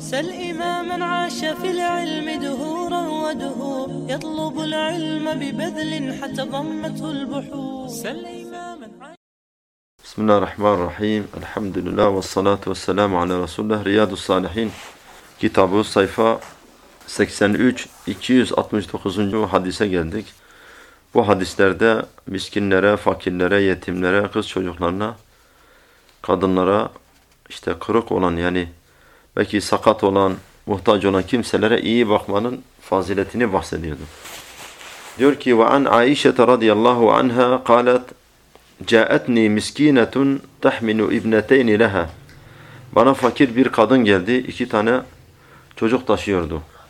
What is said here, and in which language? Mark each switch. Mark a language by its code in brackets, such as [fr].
[ar] سل إماما عاش في العلم دهورا ودهور يطلب العلم ببذل حتى ضمته البحور. سل بسم الله الرحمن الرحيم. الحمد لله والصلاة والسلام على رسول الله. رياض الصالحين كتابه صفحة 83 269. [tr] hadise geldik. Bu hadislerde miskinlere, fakirlere, yetimlere, kız çocuklarına, kadınlara, işte kırık olan yani belki sakat olan, muhtaç olan kimselere iyi bakmanın faziletini bahsediyordu. Diyor ki [ar] وَعَنْ عَيْشَةَ رَضِيَ اللّٰهُ عَنْهَا قَالَتْ جَاءَتْنِي مِسْك۪ينَةٌ تَحْمِنُ اِبْنَتَيْنِ لَهَا. [tr] Bana fakir bir kadın geldi, iki tane çocuk taşıyordu.